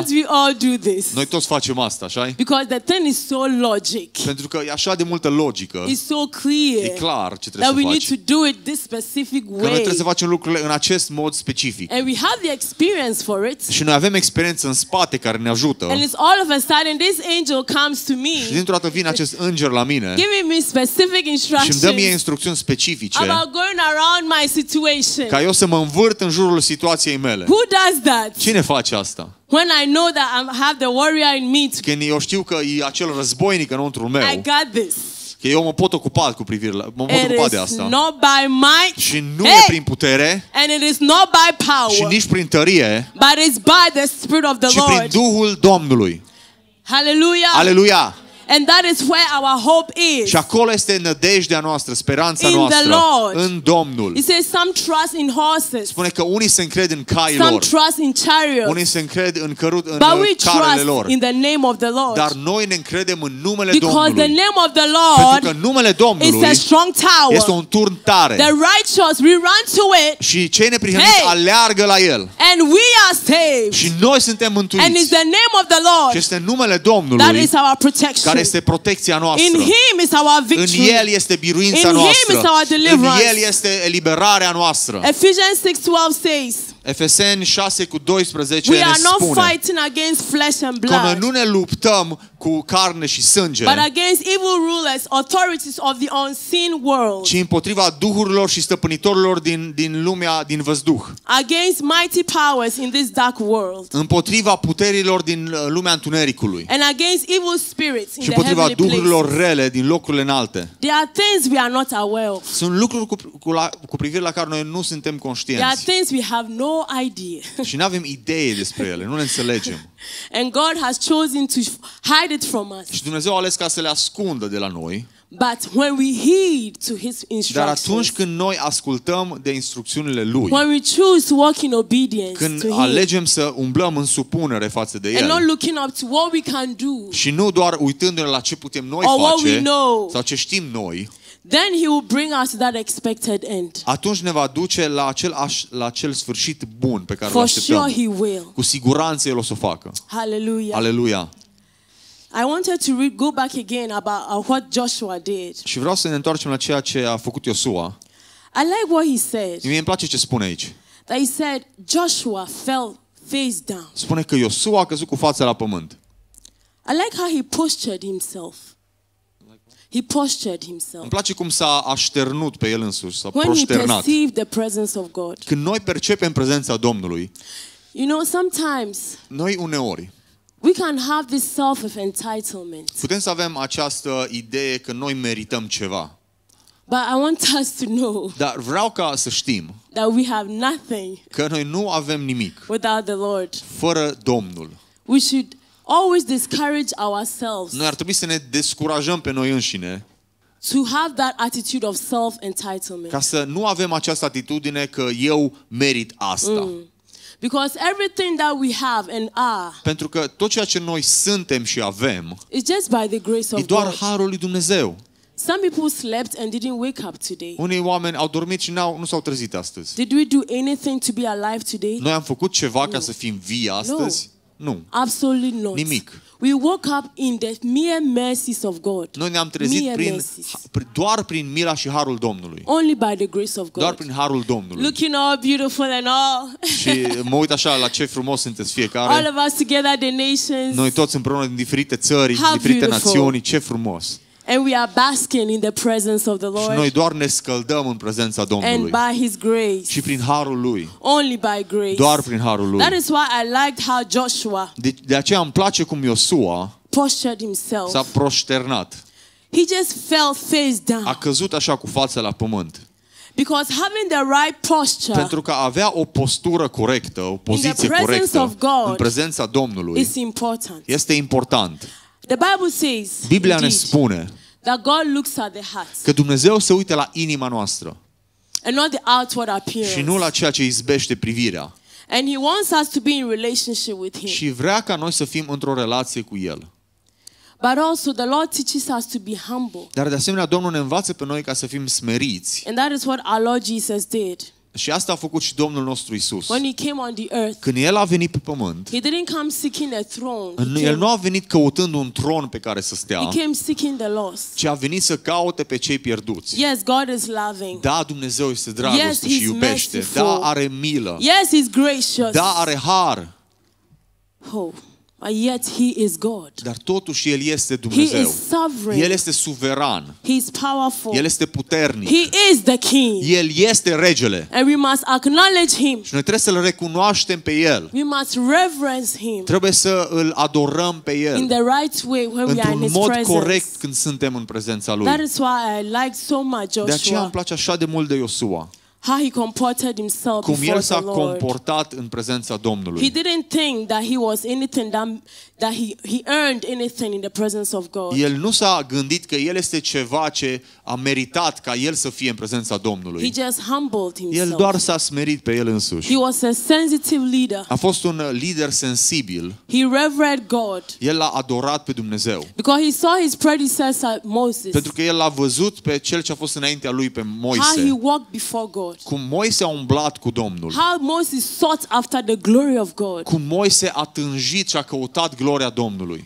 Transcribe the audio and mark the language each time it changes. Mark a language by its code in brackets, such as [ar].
[en] Don't we all do this? [ro] Noi toți facem asta, așa-i? [en] Because the thing is so logic. [ro] Pentru că e așa de multă logică. [en] It's so clear. [ro] E clar ce trebuie să faci. [en] That we need to do it this specific way. [ro] Că noi trebuie să facem lucrurile în acest mod specific. [en] And we have the experience for it. [ro] Și noi avem experiență în spate care ne ajută. [en] And it's all of a sudden this angel comes to me. [ro] Și dintr-o dată vine acest înger la mine. [en] Giving me specific instructions. [ro] Și îmi dă mie instrucțiuni specifice. [en] About going around my situation. [ro] Ca eu să mă învârt în jurul situației mele. [en] Who does that? [ro] Cine face asta? [en] When I know that I have the warrior in me. [ro] Când eu știu că e acel războinic înăuntru meu. [en] I got this. [ro] Că eu mă pot ocupa cu privire la, mă pot ocupa de asta. [en] Not by might. [ro] Și nu e prin putere. [en] And it is not by power. [ro] Și nici prin tărie. [en] But it's by the spirit of the Lord. [ro] Și prin Duhul Domnului. [en] Hallelujah. [ro] Hallelujah. [en] And that is where our hope is. [ro] Și acolo este nădejdea noastră, speranța [en] in [ro] noastră [en] the Lord. [ro] În Domnul. [en] He says some trust in horses. [ro] Spune că unii se încred în cai lor. [en] Some trust in chariots. [ro] Unii se încred în cărut, în carele lor. [en] But we trust lor. In the name of the Lord. [ro] Dar noi ne încredem în numele [en] Because [ro] Domnului. [en] Because the name of the Lord. [ro] Pentru că numele Domnului. [en] Is a strong tower. [ro] Este un turn tare. [en] The righteous we run to it. [ro] Și cei neprihăniți aleargă la el. [en] And we are saved. [ro] Și noi suntem mântuiți. [en] And it's the name of the Lord. [ro] Și este numele Domnului. [en] That is our protection. [ro] Care este protecția noastră. [en] In him is our victory. [ro] În el este biruința [en] in [ro] noastră. [en] Him is our deliverance. [ro] În el este eliberarea noastră. [en] Ephesians 6:12 says. [ro] Efeseni 6:12 ne spune. [en] We are not fighting against flesh and blood. [ro] Că noi nu ne luptăm cu carne și sânge. [en] But against evil rulers, authorities of the unseen world. [ro] Ci împotriva duhurilor și stăpânitorilor din lumea din văzduh. [en] Against mighty powers in this dark world. [ro] Împotriva puterilor din lumea întunericului. [en] And against evil spirits in the heavenly. [ro] Și împotriva duhurilor rele din locurile înalte. [en] There are things we are not aware of. [ro] Sunt lucruri cu privire la care noi nu suntem conștienți. [en] There are things we have no idea. [ro] Și nu avem idee despre ele, nu le înțelegem. [en] And God has chosen to hide it from us. [ro] Și Dumnezeu a ales ca să le ascundă de la noi. [en] But when we heed to his instructions. [ro] Dar atunci când noi ascultăm de instrucțiunile lui. [en] When we choose to walk in obedience. [ro] Când alegem să umblăm în supunere față de el. [en] And not looking up to what we can do. [ro] Și nu doar uitându-ne la ce putem noi face. [en] What we know. [ro] Sau ce știm noi. [en] Then he will bring us to that expected end. [ro] Atunci ne va duce la acel sfârșit bun pe care [en] For [ro] îl așteptăm. [en] Sure he will. [ro] Cu siguranță el o să facă. [en] Hallelujah. [ro] Hallelujah. [en] I wanted to go back again about what Joshua did. [ro] Și vreau să ne întoarcem la ceea ce a făcut Iosua. [en] I like what he said. [ro] Mie îmi place ce spune aici. [en] That he said Joshua fell face down. [ro] Spune că Iosua a căzut cu fața la pământ. [en] I like how he postured himself. He postured himself. [ro] Îmi place cum s-a așternut pe el însuși, s-a [en] When [ro] proșternat. [en] When we perceive the presence of God. [ro] Când noi percepem prezența Domnului. [en] You know, sometimes. [ro] Noi uneori. [en] We can have this self of entitlement. [ro] Putem să avem această idee că noi merităm ceva. [en] But I want us to know. [ro] Dar vreau ca să știm. [en] That we have nothing. [ro] Că noi nu avem nimic. [en] Without the Lord. [ro] Fără Domnul. [en] We should always discourage ourselves. [ro] Noi ar trebui să ne descurajăm pe noi înșine. [en] To have that attitude of self-entitlement. [ro] Ca să nu avem această atitudine că eu merit asta. Mm. [en] Because everything that we have and are. [ro] Pentru că tot ceea ce noi suntem și avem. [en] It's just by the grace of God. [ro] E doar harul lui Dumnezeu. [en] Some people slept and didn't wake up today. [ro] Unii oameni au dormit și nu s-au trezit astăzi. [en] Did we do anything to be alive today? [ro] Noi am făcut ceva ca să fim vii astăzi? Nu. [en] Absolutely not. [ro] Nimic. [en] We woke up in the mere mercies of God. [ro] Noi ne-am trezit doar prin mila și harul Domnului. [en] Only by the grace of God. [ro] Doar prin harul Domnului. [en] Looking all beautiful and all. [ro] Și mă uit așa la ce frumos sunteți fiecare. [en] All of us together, the nations. [ro] Noi toți împreună din diferite țări, [en] how [ro] diferite [en] beautiful. [ro] Națiuni, ce frumos. [en] And we are basking in the presence of the Lord. [ro] Și noi doar ne scăldăm în prezența Domnului. [en] And by His grace. [ro] Și prin harul Lui. [en] Only by grace. [ro] Doar prin harul Lui. [en] That is why I liked how Joshua. [ro] De aceea îmi place cum Iosua. [en] Postured himself. [ro] S-a prosternat. [en] He just fell face down. [ro] A căzut așa cu fața la pământ. [en] Because having the right posture. [ro] Pentru că avea o postură corectă, o poziție corectă. [en] In the presence of God. [ro] În prezența Domnului. [en] It's important. [ro] Este important. [en] The Bible says. [ro] Biblia ne spune. [en] That God looks at the heart. [ro] Că Dumnezeu se uită la inima noastră. [en] And not the outward appearance. [ro] Și nu la ceea ce izbește privirea. [en] And He wants us to be in relationship with Him. [ro] Și vrea ca noi să fim într-o relație cu El. [en] But also the Lord teaches us to be humble. [ro] Dar de asemenea Domnul ne învață pe noi ca să fim smeriți. [en] And that is what our Lord Jesus did. [ro] Și asta a făcut și Domnul nostru Iisus. [en] When he came on the earth, [ro] când El a venit pe pământ, [en] he didn't come seeking a throne, [ro] El nu a venit căutând un tron pe care să stea, [en] he came seeking the lost. [ro] Ci a venit să caute pe cei pierduți. [en] Yes, God is loving. [ro] Da, Dumnezeu este dragoste, [en] yes, [ro] și iubește. [en] Merciful. [ro] Da, are milă. [en] Yes, he's gracious. [ro] Da, are har. [en] Oh. But yet he is God. [ro] Dar totuși El este Dumnezeu. [en] He is sovereign. [ro] El este suveran. [en] He is powerful. [ro] El este puternic. [en] He is the king. [ro] El este regele. [en] And we must acknowledge him. [ro] Și noi trebuie să-L recunoaștem pe El. [en] We must reverence him. [ro] Trebuie să îl adorăm pe El. [en] In the right way when we are in his presence. [ro] Într-un mod corect când suntem în prezența Lui. [en] That is why I like so much Joshua. [ro] De aceea îmi place așa de mult de Iosua. [en] How he comported himself [ro] cum [en] before [ro] el s-a comportat în prezența Domnului. [en] He didn't think that he was anything that he earned anything in the presence of God. [ro] El nu s-a gândit că el este ceva ce a meritat ca el să fie în prezența Domnului. [en] He just humbled himself. [ro] El doar s-a smerit pe el însuși. [en] He was a sensitive leader. [ro] A fost un lider sensibil. [en] He revered God. [ro] El l-a adorat pe Dumnezeu. [en] Because he saw his predecessor Moses. [ro] Pentru că el l-a văzut pe cel ce a fost înaintea lui, pe Moise. [en] How he walked before God. [ro] Cum Moise a umblat cu Domnul. [en] How Moses sought after the glory of God. [ro] Cum Moise a tânjit și a căutat gloria Domnului.